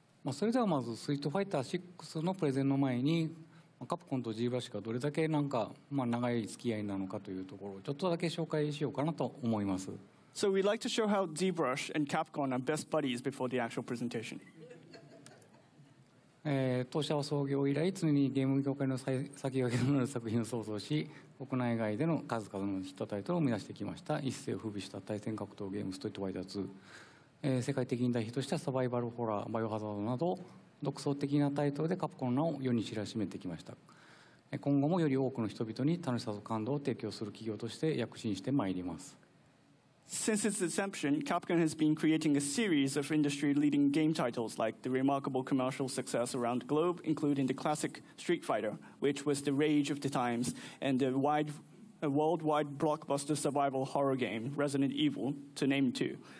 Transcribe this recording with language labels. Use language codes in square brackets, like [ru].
[ja] それではまずストリートファイター6のプレゼンの前にカプコンと ZBrush がどれだけなんか、まあ、長い付き合いなのかというところをちょっとだけ紹介しようかなと思います。 [en] So we'd like to show how ZBrush and Capcom are best buddies before the actual presentation. [ja] 当社は創業以来常にゲーム業界の先駆けとなる作品を創造し国内外での数々のヒットタイトルを生み出してきました。一世を風靡した対戦格闘ゲームストリートファイター2、世界的に大ヒットしたサバイバルホラー、バイオハザードなど独創的なタイトルでカプコンの名を世に知らしめてきました。今後もより多くの人々に楽しさと感動を提供する企業として躍進してまいります。 [en] Since its inception, Capcom has been creating a series of industry leading game titles like the remarkable commercial success around the globe, including the classic Street Fighter, which was the rage of the times, and the worldwide blockbuster survival horror game Resident Evil, to name two.